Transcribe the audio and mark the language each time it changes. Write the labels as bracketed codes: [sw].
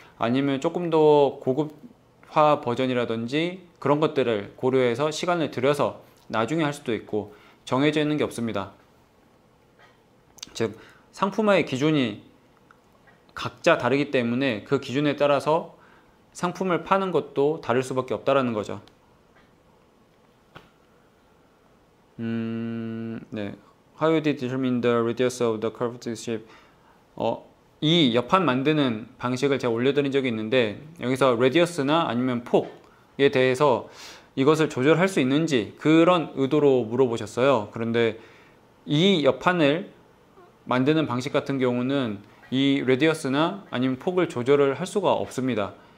[ko] 아니면 조금 더 고급화 버전이라든지 그런 것들을 고려해서 시간을 들여서 나중에 할 수도 있고 정해져 있는 게 없습니다. 즉, 상품화의 기준이 각자 다르기 때문에 그 기준에 따라서 상품을 파는 것도 다를 수밖에 없다라는 거죠. 네. [en] How did you determine the radius of the curved shape? [ko] 이 여판 만드는 방식을 제가 올려드린 적이 있는데, 여기서 radius나 아니면 폭에 대해서 이것을 조절할 수 있는지 그런 의도로 물어보셨어요. 그런데 이 여판을 만드는 방식 같은 경우는 이 radius나 아니면 폭을 조절을 할 수가 없습니다.